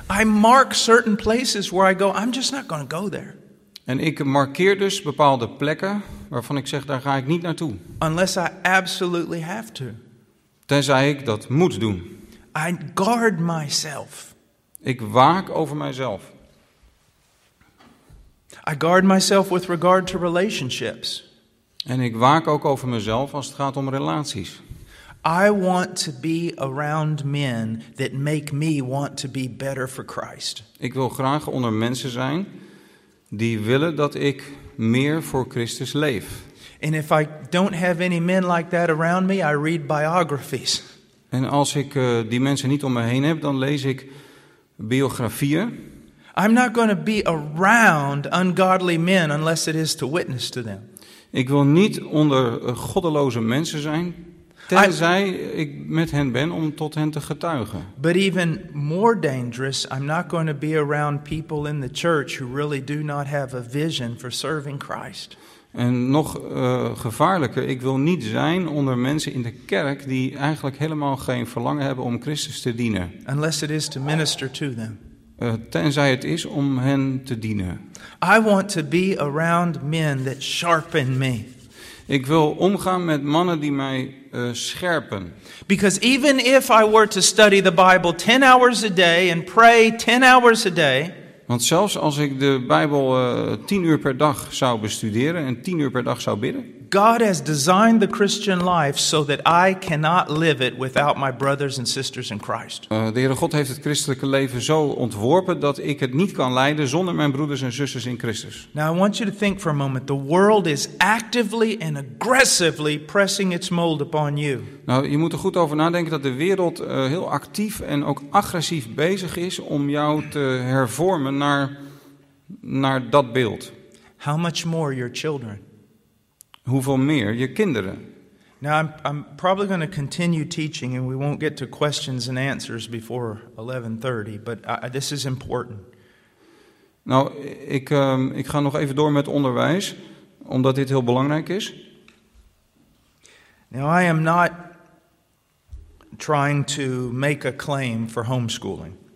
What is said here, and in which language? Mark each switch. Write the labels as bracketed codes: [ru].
[en] I mark certain places where I go, I'm just not going to go there. [nl] En ik markeer dus bepaalde plekken waarvan ik zeg, daar ga ik niet naartoe. [en] Unless I absolutely have to. [nl] Tenzij ik dat moet doen. [en] I guard myself. [nl] Ik waak over mijzelf. [en] I guard myself with regard to relationships. [nl] En ik waak ook over mezelf als het gaat om relaties. [en] I want to be around men that make me want to be better for Christ. [nl] Ik wil graag onder mensen zijn die willen dat ik meer voor Christus leef. [en] And if I don't have any men like that around me, I read biographies. [nl] En als ik die mensen niet om me heen heb, dan lees ik biografieën. [en] I'm not going to be around ungodly men unless it is to witness to them. [nl] Ik wil niet onder goddeloze mensen zijn. Tenzij ik met hen ben om tot hen te getuigen. [en] But even more dangerous, I'm not going to be around people in the church who really do not have a vision for serving Christ. [nl] En nog gevaarlijker, ik wil niet zijn onder mensen in de kerk die eigenlijk helemaal geen verlangen hebben om Christus te dienen. [en] Unless it is to minister to them. [nl] Tenzij het is om hen te dienen. [en] I want to be around men that sharpen me. [nl] Ik wil omgaan met mannen die mij scherpen. [en] Because even if I were to study the Bible 10 hours a day and pray 10 hours a day. [nl] Want zelfs als ik de Bijbel 10 uur per dag zou bestuderen en 10 uur per dag zou bidden. [en] God has designed the Christian life so that I cannot live it without my brothers and sisters in Christ. [nl] De Heere God heeft het christelijke leven zo ontworpen dat ik het niet kan leiden zonder mijn broeders en zusters in Christus. [en] Now I want you to think for a moment. The world is actively and aggressively pressing its mold upon you. [nl] Nou, je moet er goed over nadenken dat de wereld heel actief en ook agressief bezig is om jou te hervormen naar dat beeld. [en] How much more your children? [nl] Hoeveel meer je kinderen? [en] Now I'm probably going to continue teaching and we won't get to questions and answers before 11:30, but this is important. [nl] Nou, ik ga nog even door met onderwijs, omdat dit heel belangrijk is. [en] Now I am not trying to make a claim for homeschooling.